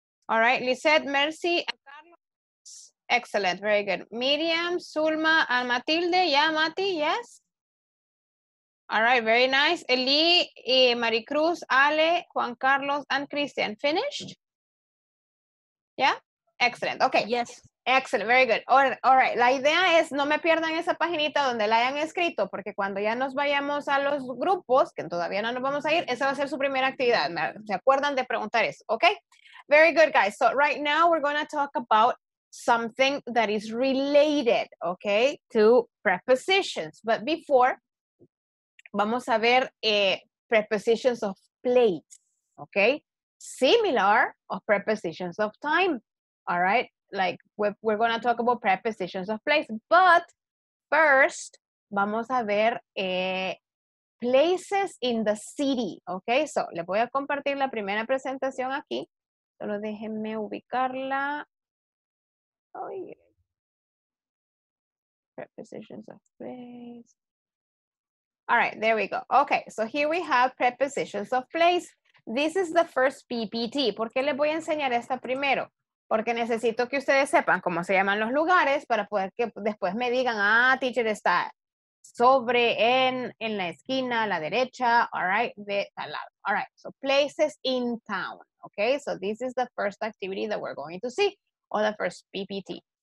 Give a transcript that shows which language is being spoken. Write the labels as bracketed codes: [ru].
[en] All right, Lisette, Mercy, and Carlos, excellent, very good. Miriam, Zulma, and Matilde, yeah, Mati, yes. All right, very nice. Eli, Maricruz, Ale, Juan Carlos, and Christian, finished? Yeah, excellent, okay. Yes. Excellent, very good. [es] All right, la idea es no me pierdan esa paginita donde la hayan escrito, porque cuando ya nos vayamos a los grupos, que todavía no nos vamos a ir, esa va a ser su primera actividad. ¿Se acuerdan de preguntar eso? Okay. [en] Very good, guys. So right now we're going to talk about something that is related, okay, to prepositions. But before, [es] vamos a ver [en] prepositions of place, okay? Similar of prepositions of time, all right? Like, we're going to talk about prepositions of place. But first, [es] vamos a ver [en] places in the city. [es] Okay, so, le voy a compartir la primera presentación aquí. Solo déjenme ubicarla. Oh, yeah. [en] Prepositions of place. All right, there we go. Okay, so here we have prepositions of place. This is the first PPT. [es] ¿Por qué les voy a enseñar esta primero? Porque necesito que ustedes sepan cómo se llaman los lugares para poder que después me digan, ah, teacher está sobre, en la esquina, a la derecha, all right, de tal lado. [en] All right, so places in town, okay? So this is the first activity that we're going to see, or the first PPT.